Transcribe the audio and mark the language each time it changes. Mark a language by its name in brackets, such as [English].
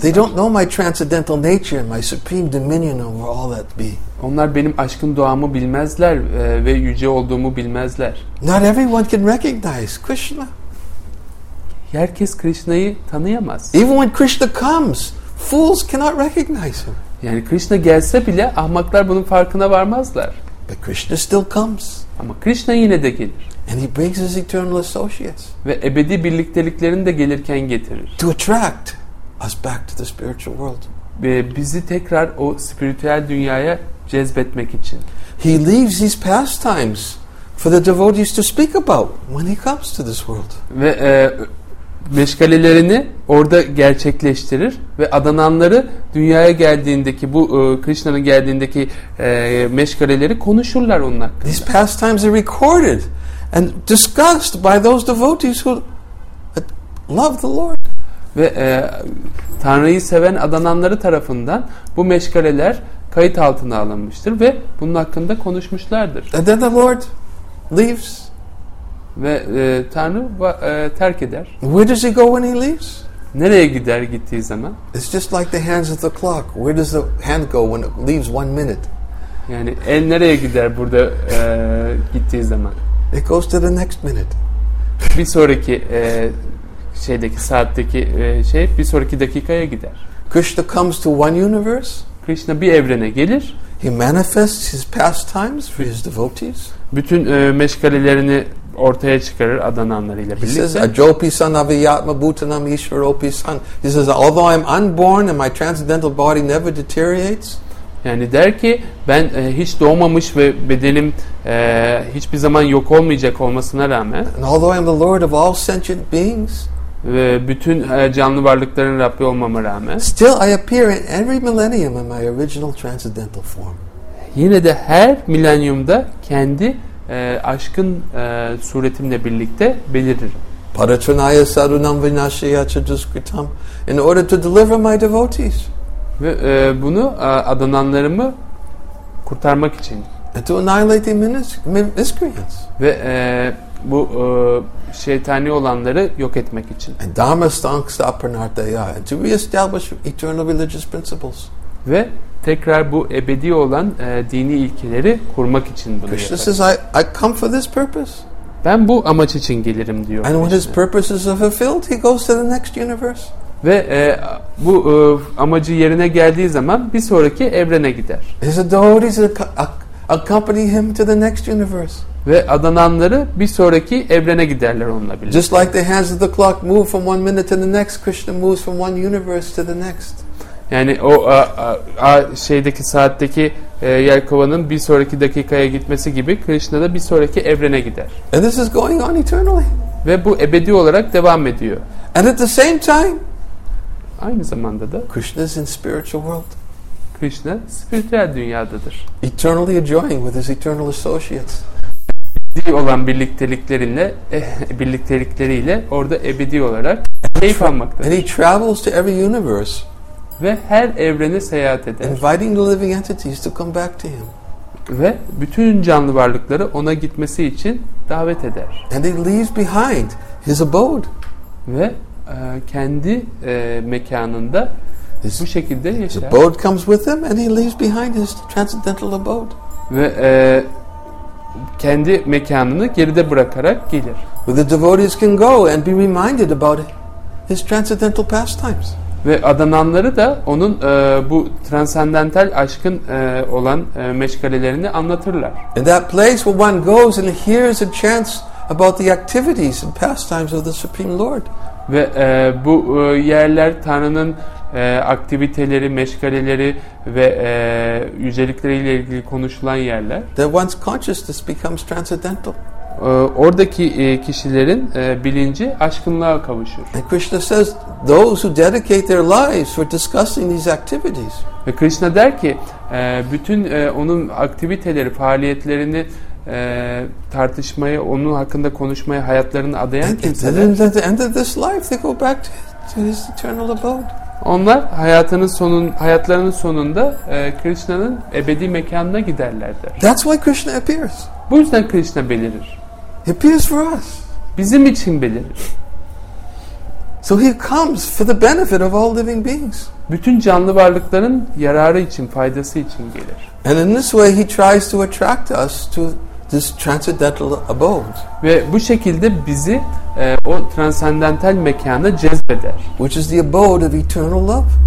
[English] They don't know my transcendental nature and my supreme dominion over all that be. [Turkish] Onlar benim aşkın doğamı bilmezler ve yüce olduğumu bilmezler. [English] Not everyone can recognize Krishna. [Turkish] Herkes Krishna'yı tanıyamaz. [English] Even when Krishna comes, fools cannot recognize him. [Turkish] Yani Krishna gelse bile ahmaklar bunun farkına varmazlar. [English] But Krishna still comes. [Turkish] Ama Krishna yine de gelir. [English] And he brings his eternal associates. [Turkish] Ve ebedi birlikteliklerini de gelirken getirir. [English] To attract us back to the spiritual world. [Turkish] Ve bizi tekrar o spiritüel dünyaya cezbetmek için. [English] He leaves his pastimes for the devotees to speak about when he comes to this world. [Turkish] Ve meşgalelerini orada gerçekleştirir ve adananları dünyaya geldiğindeki bu Krishna'nın geldiğindeki meşgaleleri konuşurlar onun hakkında. [English] These pastimes are recorded and discussed by those devotees who love the Lord. [Turkish] Ve Tanrı'yı seven adananları tarafından bu meşgaleler kayıt altına alınmıştır ve bunun hakkında konuşmuşlardır. [English] And then the Lord leaves. [Turkish] Ve Tanrı terk eder. [English] Where does he go when he leaves? [Turkish] Nereye gider gittiği zaman? [English] It's just like the hands of the clock. Where does the hand go when it leaves one minute? [Turkish] Yani el nereye gider burada gittiği zaman? [English] It goes to the next minute. [Turkish] Bir sonraki şeydeki saatteki şey bir sonraki dakikaya gider. [English] Krishna comes to one universe. [Turkish] Krishna bir evrene gelir. [English] He manifests his pastimes for his devotees. [Turkish] Bütün meşgalelerini ortaya çıkarır adananlarıyla birlikte. [English] He says, [Sanskrit] Ajopi san avyatma bhutanam ishvaropi san. [English] He says, although I am unborn and my transcendental body never deteriorates. [Turkish] Yani der ki, ben hiç doğmamış ve bedenim hiçbir zaman yok olmayacak olmasına rağmen. [English] And although I am the Lord of all sentient beings. [Turkish] Ve bütün canlı varlıkların Rabbi olmama rağmen. [English] Still I appear in every millennium in my original transcendental form. [Turkish] Yine de her milenyumda kendi aşkın suretimle birlikte belirir. [Sanskrit] Paratranaya sarunam vinashaya cha duskritam [English] in order to deliver my devotees. [Turkish] Ve bunu adananlarımı kurtarmak için. [English] And to annihilate the miscreants. [Turkish] Ve bu şeytani olanları yok etmek için. [English] And [Sanskrit] dharma stanksa aparnartaya [English] and to reestablish eternal religious principles. [Turkish] Ve tekrar bu ebedi olan dini ilkeleri kurmak için bunu yapar. [English] Krishna says, I come for this purpose. [Turkish] Ben bu amaç için gelirim diyor. [English] And when his purposes are fulfilled, he goes to the next universe. [Turkish] Ve bu amacı yerine geldiği zaman bir sonraki evrene gider. [English] His devotees accompany him to the next universe. [Turkish] Ve adananları bir sonraki evrene giderler onunla birlikte. [English] Just like the hands of the clock move from one minute to the next, Krishna moves from one universe to the next. [Turkish] Yani o şeydeki saatteki yelkovanın bir sonraki dakikaya gitmesi gibi Krishna da bir sonraki evrene gider. [English] And this is going on eternally. [Turkish] Ve bu ebedi olarak devam ediyor. [English] And at the same time, [Turkish] aynı zamanda da [English] Krishna is in spiritual world. [Turkish] Krishna spiritüel dünyadadır. [English] Eternally enjoying with his eternal associates. [Turkish] Ebedi olan birlikteliklerinle birliktelikleriyle orada ebedi olarak keyif almaktadır. [English] And he travels to every universe. [Turkish] Ve her evrene seyahat eder. [English] Inviting the living entities to come back to him. [Turkish] Ve bütün canlı varlıkları ona gitmesi için davet eder. [English] And he leaves behind his abode. [Turkish] Ve kendi mekanında [English] his, [Turkish] bu şekilde yaşar. [English] His abode comes with him and he leaves behind his transcendental abode. [Turkish] Ve kendi mekanını geride bırakarak gelir. [English] Where the devotees can go and be reminded about his transcendental pastimes. [Turkish] Ve adananları da onun bu transcendental aşkın olan meşgalelerini anlatırlar. [English] In that place where one goes and hears a chant about the activities and pastimes of the Supreme Lord. [Turkish] Ve bu yerler Tanrı'nın aktiviteleri, meşgaleleri ve yücelikleriyle ilgili konuşulan yerler. [English] That one's consciousness becomes transcendental. [Turkish] Oradaki kişilerin bilinci aşkınlığa kavuşur. [English] And Krishna says, those who dedicate their lives for discussing these activities. [Turkish] Ve Krishna der ki, bütün onun aktiviteleri, faaliyetlerini tartışmaya, onun hakkında konuşmaya hayatlarını adayan kimseler. [English] At the end of this life, they go back to his eternal abode. [Turkish] Onlar hayatlarının sonunda Krishna'nın ebedi mekanına giderlerdi. [English] That's why Krishna appears. [Turkish] Bu yüzden Krishna belirir. [English] He appears for us. [Turkish] Bizim için belirir. [English] So he comes for the benefit of all living beings. [Turkish] Bütün canlı varlıkların yararı için, faydası için gelir. [English] And in this way he tries to attract us to this transcendental abode. [Turkish] Ve bu şekilde bizi o transcendental mekana cezbeder. [English] Which is the abode of eternal love.